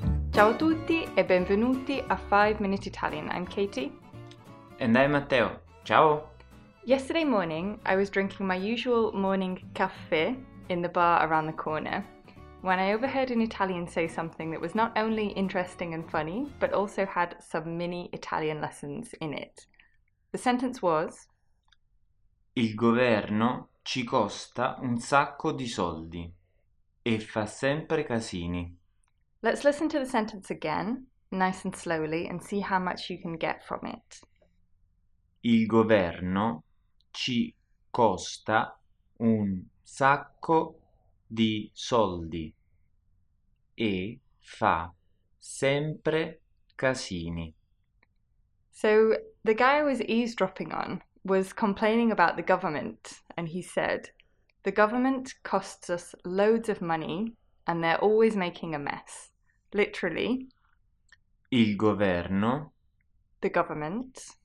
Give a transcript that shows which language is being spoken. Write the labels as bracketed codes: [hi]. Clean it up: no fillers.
[it] Ciao a tutti e benvenuti a 5 Minute Italian. [en] I'm Katie. And I'm Matteo. Ciao. Yesterday morning, I was drinking my usual morning caffè in the bar around the corner when I overheard an Italian say something that was not only interesting and funny, but also had some mini Italian lessons in it. The sentence was: [it] Il governo ci costa un sacco di soldi e fa sempre casini. [en] Let's listen to the sentence again, nice and slowly, and see how much you can get from it. [it] Il governo ci costa un sacco di soldi e fa sempre casini. [en] So, the guy I was eavesdropping on was complaining about the government, and he said, "The government costs us loads of money, and they're always making a mess." Literally, [it] Il governo [en] the government,